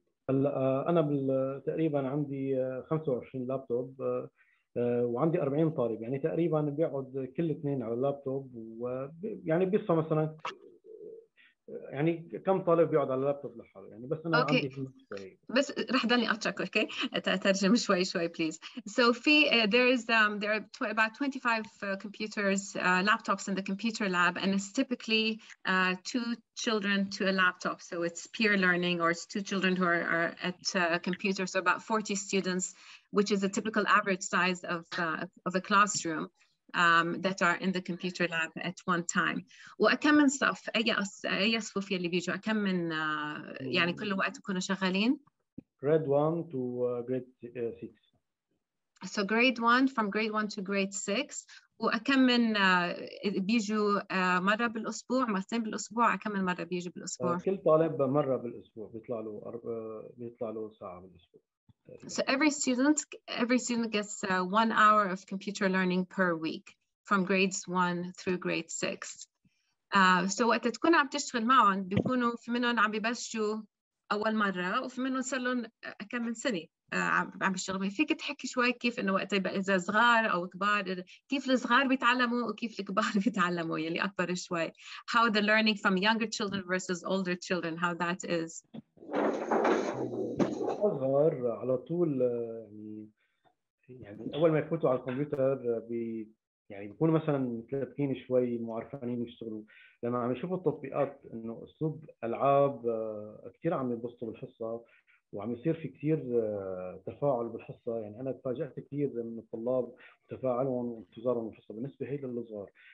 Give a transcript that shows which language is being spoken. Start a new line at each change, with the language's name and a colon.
Arabic: أنا تقريبا عندي 25 لابتوب وعندي 40 طالب, يعني تقريبا بيقعد كل اثنين على اللابتوب, ويعني بيصفى مثلا يعني كم طالب بيقعد على اللابتوب لحاله, يعني بس أنا
English: okay.
Arabic: عندي بس رح دلني أتشك أوكي ترجم شوي شوي بليز.
English: So there are about 25 computers laptops in the computer lab, and it's typically two children to a laptop, so it's peer learning, or it's two children who are at a computer, so about 40 students, which is a typical average size of a classroom. that are in the computer lab at one time.
Arabic: وكم من صف أي صفوف يلي بيجوا كم من يعني كل وقت يكونوا شغالين؟
English: Grade 1 to grade 6. So grade 1, from grade 1 to grade 6.
Arabic: وكم من بيجوا مرة بالأسبوع، مرتين بالأسبوع، كم من مرة بيجوا بالأسبوع؟ كل طالب مرة بالأسبوع بيطلع له ساعة بالأسبوع.
English: So every student gets 1 hour of computer learning per week from grades 1 through grade 6.
Arabic: So وقت تكون عم تشتغل معهم بيكونوا في منهم عم ببلشوا أول مرة وفي منهم صار لهم كم من سنة عم بيشتغلوا. فيك تحكي شوي كيف إنه وقت يبقى إذا صغار أو كبار كيف الصغار بيتعلموا وكيف الكبار بيتعلموا يلي أكبر شوي.
English: How the learning from younger children versus older children, how that is.
Arabic: الصغار على طول يعني أول ما يفوتوا على الكمبيوتر يعني بيكونوا مثلاً متلبكين شوي معرفانين يشتغلوا لما عم يشوفوا التطبيقات إنه أسلوب ألعاب كتير عم يبسطوا بالحصة وعم يصير في كتير تفاعل بالحصة يعني أنا تفاجأت كتير من الطلاب وتفاعلهم وانتظارهم بالحصة بالنسبة هي للصغار.